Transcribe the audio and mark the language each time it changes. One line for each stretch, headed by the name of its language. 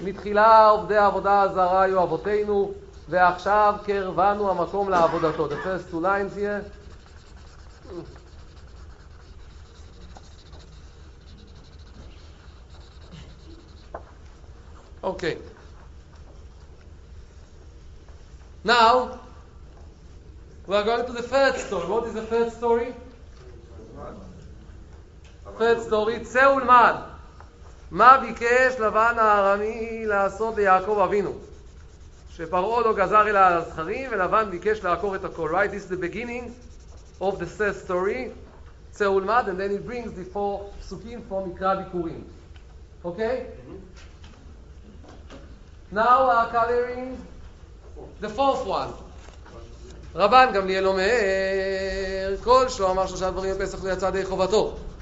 Hebrew: מתחילה עובדי עבודה הזרה היו אבותינו, ועכשיו קרבנו המקום לעבודתו.
English: The first two lines here. Okay. Now, we are going to the third story. What is the third story? third story, Tzeul Man.
Hebrew: מה ביקש לבן הארמי לעשות ליעקב אבינו? שפרעה לא גזר אל הזכרים, ולבן ביקש לעקור את הכל.
English: Right, this is the beginning of the third story. Tzeul Man, and then it brings the four psukim from Mikra Bikurim. Okay? Now our coloring, the fourth one.
Hebrew: רבן גמליאל אומר, כל שלא אמר שלושה דברים בפסח זה יצא די חובתו.